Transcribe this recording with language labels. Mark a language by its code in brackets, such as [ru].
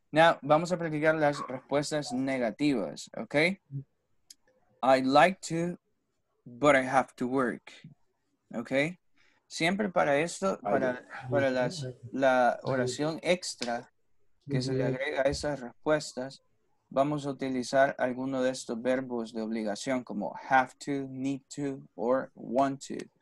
[es] Now, vamos a practicar las respuestas negativas, okay? [en] I'd like to, but I have to work, okay? [es] Siempre para esto, para las, la oración extra que se le agrega a esas respuestas, vamos a utilizar alguno de estos verbos de obligación como [en] have to, need to, or want to.